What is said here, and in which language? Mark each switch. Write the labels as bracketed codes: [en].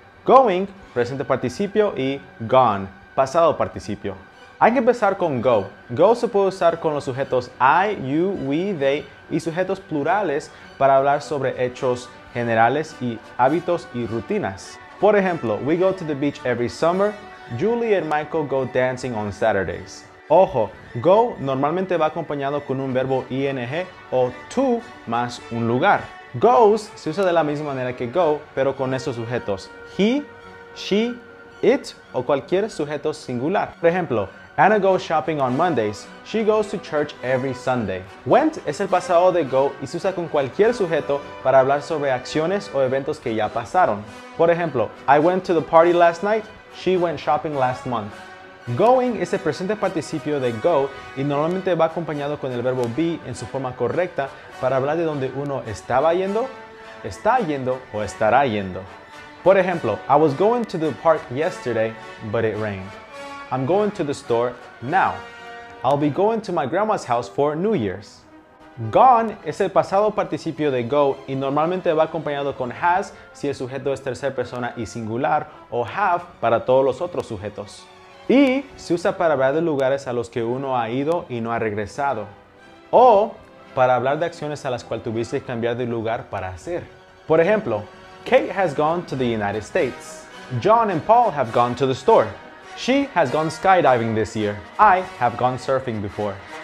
[es] Going, presente participio. Y gone, pasado participio. Hay que empezar con go. Go se puede usar con los sujetos I, you, we, they y sujetos plurales para hablar sobre hechos generales y hábitos y rutinas. Por ejemplo, [en] we go to the beach every summer. Julie and Michael go dancing on Saturdays. [es] Ojo, go normalmente va acompañado con un verbo ing o to más un lugar. Goes se usa de la misma manera que go, pero con estos sujetos: he, she, it o cualquier sujeto singular. Por ejemplo, [en] Anna goes shopping on Mondays. She goes to church every Sunday. [es] Went es el pasado de go y se usa con cualquier sujeto para hablar sobre acciones o eventos que ya pasaron. Por ejemplo, [en] I went to the party last night. She went shopping last month. [es] Going es el presente participio de go y normalmente va acompañado con el verbo be en su forma correcta para hablar de dónde uno estaba yendo, está yendo o estará yendo. [en] Por ejemplo, I was going to the park yesterday, but it rained. I'm going to the store now. I'll be going to my grandma's house for New Year's. [es] Gone es el pasado participio de go y normalmente va acompañado con has si el sujeto es tercera persona y singular o have para todos los otros sujetos. Y se usa para hablar de lugares a los que uno ha ido y no ha regresado. O para hablar de acciones a las cuales tuviste que cambiar de lugar para hacer. Por ejemplo, [en] Kate has gone to the United States. John and Paul have gone to the store. She has gone skydiving this year. I have gone surfing before.